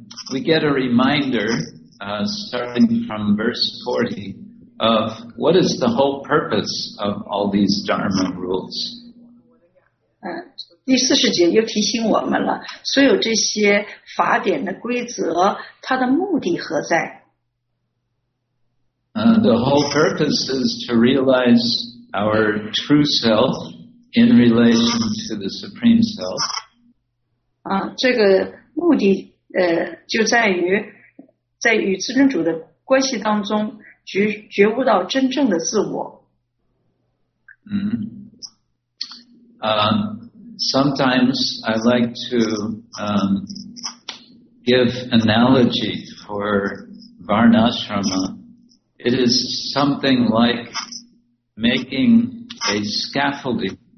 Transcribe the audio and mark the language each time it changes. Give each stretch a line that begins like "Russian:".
English: We get a reminder, starting from verse 40, of what is the whole purpose of all these Dharma rules.
Chinese: 第四十节又提醒我们了，所有这些法典的规则，它的目的何在？
English: The whole purpose is to realize our true self in relation to the Supreme Self.
Chinese: 这个目的就在与至尊主的关系当中觉悟到真正的自我。
English: Sometimes I like to give analogy for Varnashrama. It is something like making a scaffolding.